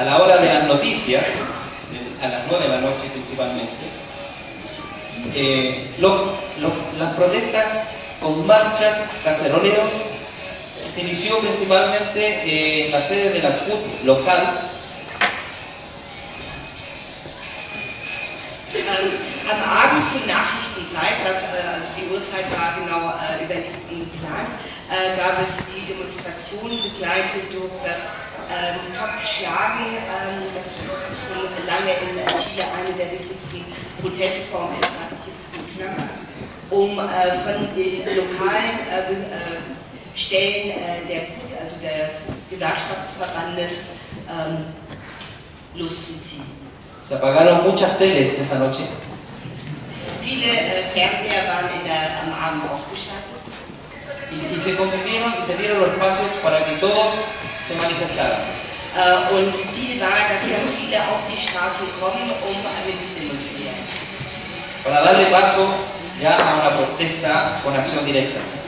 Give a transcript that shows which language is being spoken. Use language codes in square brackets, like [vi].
[es] A la hora de las noticias, a las 9 de la noche principalmente. Las protestas con marchas, caceroleos, se inició principalmente en la sede de la CUT local. [de] Am Abend zur Nachrichtenzeit, was die Uhrzeit war genau überlegt und geplant, gab es die Demonstration begleitet durch das Topfschlagen, das schon lange in Chile eine der wichtigsten Protestformen ist. Um von den lokalen Stellen der CUT, also des Gewerkschaftsverbandes, loszuziehen. [es] Se apagaron muchas teles esa noche. [de] Viele Fernseher waren am Abend ausgeschaltet. [es] Y se convirtieron y se dieron los pasos para que todos se manifestaran. [de] Und Ziel war, dass ganz viele auf die Straße kommen, um mit zu demonstrieren. [es] Para darle paso ya a una protesta con acción directa.